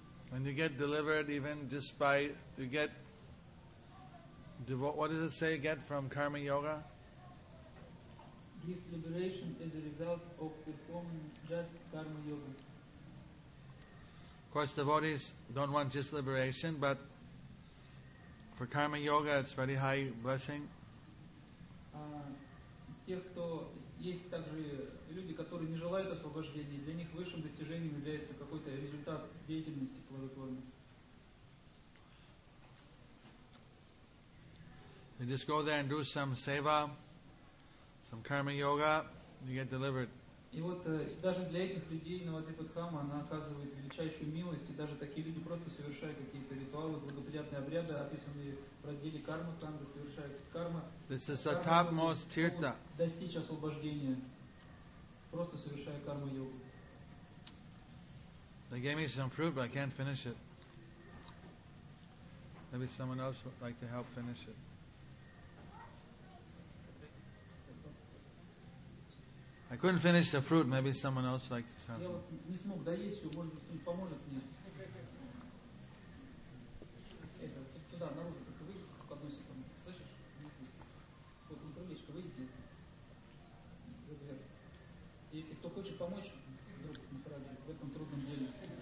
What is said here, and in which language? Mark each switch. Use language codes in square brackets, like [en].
[en] And you get delivered even just by you get what does it say get from karma yoga? This liberation is a result of performing just karma yoga. Of course, devotees don't want just liberation, but for karma yoga, it's very high blessing. [ru] Тех, кто есть также люди, которые не желают освобождения, для них высшим достижением является какой-то результат деятельности плодотворной. [en] They just go there and do some seva, some karma yoga, you get delivered. [ru] И вот даже для этих людей Навадвипатхама она оказывает величайшую милость, и даже такие люди просто совершают какие-то ритуалы, благоприятные обряды, описанные в разделе карма, там совершают карма. [en] This is the topmost tirtha. [ru] Достичь освобождения, просто совершая карму йогу. [en] They gave me some fruit, but I can't finish it. Maybe someone else would like to help finish it. I couldn't finish the fruit. Maybe someone else would like to help. [ru] Я не смог доесть его. Может быть, кто-нибудь поможет мне? Туда наружу только выйдите, подносите там. Слышишь? Вот крылечко, выйдите. Если кто хочет помочь, вдруг в этом трудном деле.